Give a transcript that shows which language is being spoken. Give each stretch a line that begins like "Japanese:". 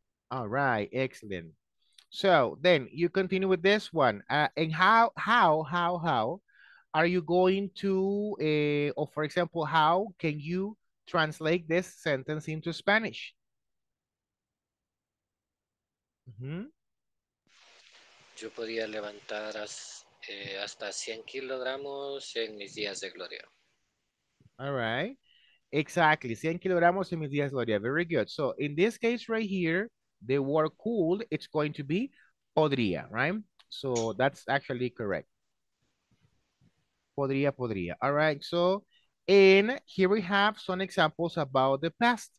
English: All right, excellent. So then you continue with this one. And how are you going to, or for example, how can you translate this sentence into Spanish? Mm-hmm.
Spanish: Yo podía levantar hasta 100 kilogramos en mis días de gloria.
English: All right. Exactly.
Spanish: 100 kilogramos en mis días de gloria.
English: Very good. So in this case right here, the word cool, it's going to be podría, right? So that's actually correct. Podría. All right. So in here we have some examples about the past.